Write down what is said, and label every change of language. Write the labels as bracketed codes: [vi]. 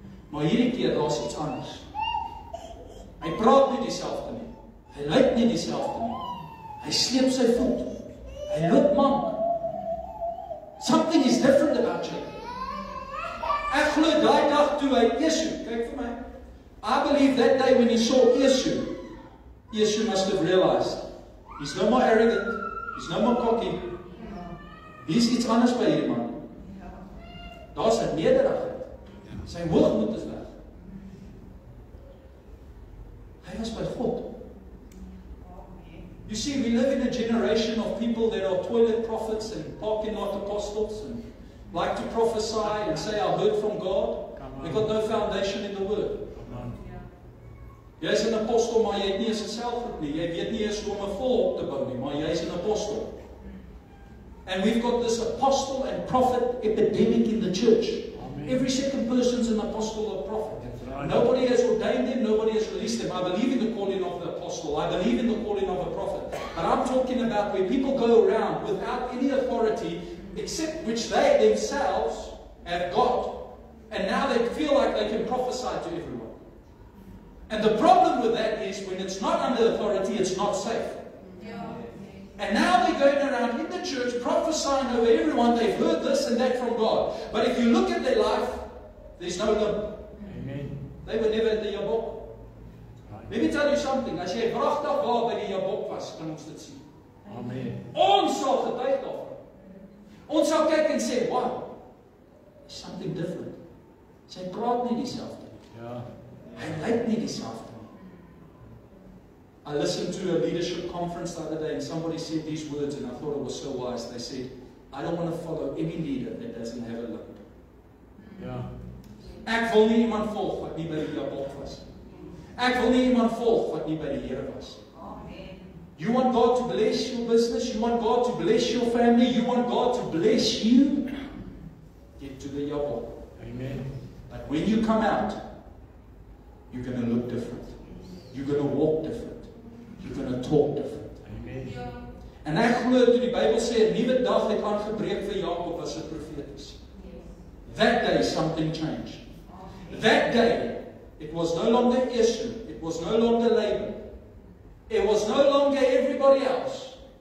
[af] Maar hierdie keer daar's iets anders. Hy praat nie dieselfde nie. Hy lyk nie dieselfde nie. Hy sleep sy voet. Hy loop mank. [en] Something is different about you. [af] Ek glo daai dag toe hy Esau, kyk vir my. [en] I believe that day when he saw Esau, Esau must have realized, he's no more arrogant, he's no more cocky. [af] He's iets anders by hierdie man. Daar's 'n nederigheid. Sy hoogmoed is weg. Hy was by God. [en] You see, we live in a generation of people that are toilet prophets and parking lot apostles and like to prophesy and say, I heard from God. We've got no foundation in the Word. [af] Jy's 'n apostel, maar jy het nie eens 'n selfgroep nie. Jy weet nie eens hoe om 'n volk te bou nie, maar jy's 'n apostel. [en] And we've got this apostle and prophet epidemic in the church. Every second person's an apostle or prophet. Nobody has ordained him, nobody has released him. I believe in the calling of the apostle. I believe in the calling of a prophet. But I'm talking about where people go around without any authority, except which they themselves have got. And now they feel like they can prophesy to everyone. And the problem with that is when it's not under authority, it's not safe. And now they're going around in the church prophesying over everyone. They've heard this and that from God. But if you look at their life, there's no limit. They were never in the Jabok. Let me tell you something. [af] As jy pragtig waar by die Jabok was, kan ons dit sien. Amen. Ons sal getuig daarvan. Ons sal kyk en sê, [en] wow, something different. [af] Sy praat nie dieselfde. Ja. Hy lyk nie dieselfde. [en] I listened to a leadership conference the other day and somebody said these words and I thought it was so wise. They said, I don't want to follow any leader that doesn't have a look. [af] Ja. Ek wil nie iemand volg wat nie by die Jabok was. Ek wil nie iemand volg wat nie by die Here was. Amen. [en] You want God to bless your business? You want God to bless your family? You want God to bless you? Get to the Jabok. Amen. But when you come out, you're going to look different. You're going to walk different. You're going to talk different. Amen. [af] En ek glo toe die Bybel sê 'n nuwe dag het aangebreek vir Jakob as 'n profeet is. [en] That day something changed. That day, it was no longer Esau. It was no longer Laban. It was no longer everybody else.